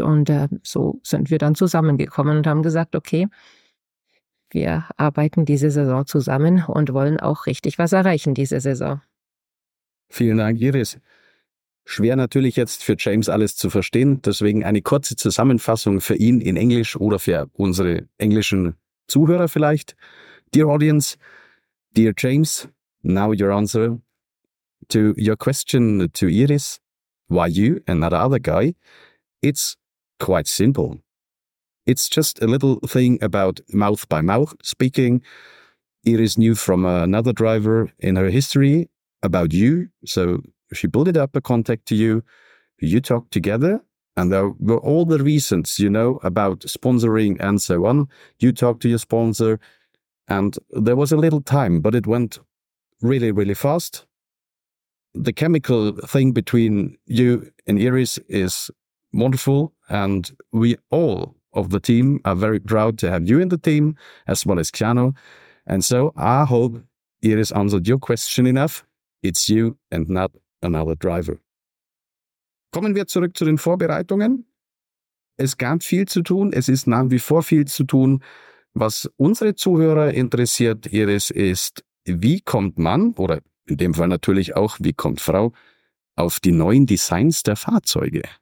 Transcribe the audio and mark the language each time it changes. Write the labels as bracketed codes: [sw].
[de] Und so sind wir dann zusammengekommen und haben gesagt, okay, wir arbeiten diese Saison zusammen und wollen auch richtig was erreichen diese Saison. Vielen Dank, Iris. Schwer natürlich jetzt für James alles zu verstehen, deswegen eine kurze Zusammenfassung für ihn in Englisch oder für unsere englischen Zuhörer vielleicht. [en] Dear audience, dear James, now your answer to your question to Iris, why you and not other guy, it's quite simple. It's just a little thing about mouth-by-mouth speaking. Iris knew from another driver in her history about you, so she built up a contact to you. You talked together, and there were all the reasons, you know, about sponsoring and so on. You talked to your sponsor, and there was a little time, but it went really, really fast. The chemical thing between you and Iris is wonderful, and we all of the team are very proud to have you in the team, as well as Keanu. And so I hope Iris answered your question enough. It's you and not another driver. [de] Kommen wir zurück zu den Vorbereitungen. Es gab viel zu tun. Es ist nach wie vor viel zu tun. Was unsere Zuhörer interessiert, Iris, ist, wie kommt Mann, oder in dem Fall natürlich auch, wie kommt Frau, auf die neuen Designs der Fahrzeuge?